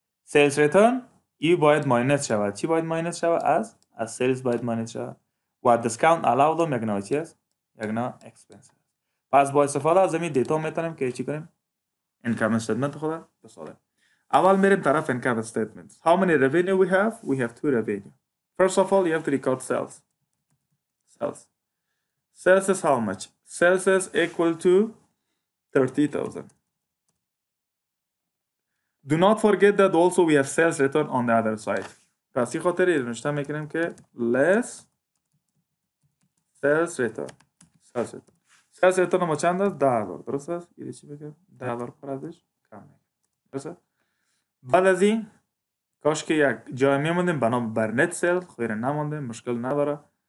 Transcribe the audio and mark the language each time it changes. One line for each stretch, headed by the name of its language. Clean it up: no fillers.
Persian: سیلز ریتون ای باید ماینس شود. چی باید ماینس شود؟ از as sales باید ماینس شود و discount allowed هم یک نوع چی است؟ یک نوع expense. پس با استفاده از این دیتا میتونیم که چی کنیم؟ income statement خود بسازیم. اول میریم طرف income statement.
English: How many revenue we have? We have two revenue. First of all, you have to record sales. Sales. Sales is how much? Sales is equal to 30,000. Do not forget that also we have sales return on the other side.
Persian: پس این خاطر ایر نشته میکنیم که
English: less sales return.
Persian: Sales return. Sales return ما چند است؟ $10. درست است؟ ایر چی بکنیم؟ $10 پردش کم میکنیم. درست است؟ بعد از این کاش که یک جای میموندیم بنام بر net sales خیر نموندیم مشکل نداره.